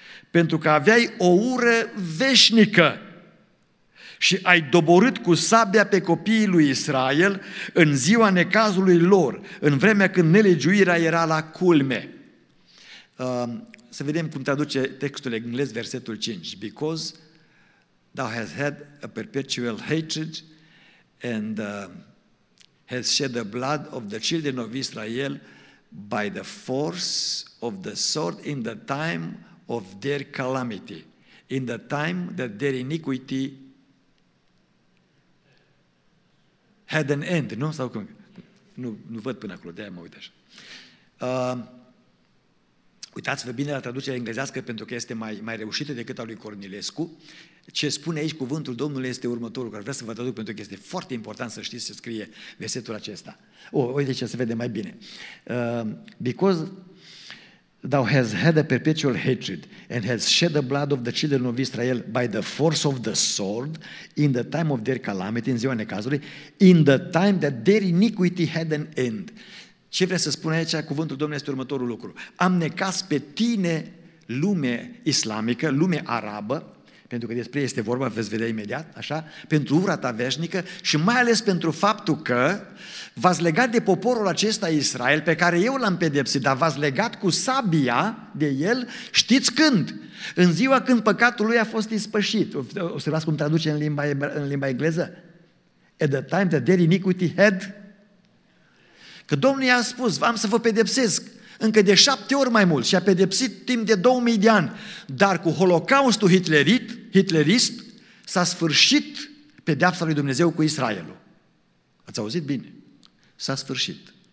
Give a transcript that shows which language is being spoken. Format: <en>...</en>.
<ro>Pentru că aveai o ură veșnică și ai doborât cu sabia pe copiii lui Israel în ziua necazului lor, în vremea când nelegiuirea era la culme. Să vedem cum traduce textul englez, versetul 5.</ro> <en>Because thou hast had a perpetual hatred and hast shed the blood of the children of Israel by the force of the sword in the time of their calamity, in the time that their iniquity had an end,</en> <ro>nu? Sau cum? Nu văd până acolo, de-aia mă uit așa. Uitați-vă bine la traducerea englezească, pentru că este mai reușită decât a lui Cornilescu. Ce spune aici cuvântul Domnului este următorul, care vreau să vă traduc, pentru că este foarte important să știți să scrie versetul acesta. Uite ce se vede mai bine.</ro> <en>Because thou hast had a perpetual hatred and hast shed the blood of the children of Israel by the force of the sword in the time of their calamity,</en> <ro>în ziua necazului,</ro> <en>in the time that their iniquity had an end.</en> <ro>Ce vrea să spune aici cuvântul Domnului este următorul lucru. Am necas pe tine lume islamică, lume arabă, pentru că despre ei este vorba, veți vedea imediat, așa, pentru ura ta veșnică și mai ales pentru faptul că v-ați legat de poporul acesta Israel, pe care eu l-am pedepsit, dar v-ați legat cu sabia de el, știți când? În ziua când păcatul lui a fost ispășit. O să las cum traduce în limba engleză.</ro> <en>At the time that their iniquity had.</en> <ro>Că Domnul i-a spus, v-am să vă pedepsesc. Încă de 7 ori mai mult și a pedepsit timp de 2000 de ani. Dar cu holocaustul hitlerist s-a sfârșit pedeapsa lui Dumnezeu cu Israelul. Ați auzit bine? S-a sfârșit.</ro>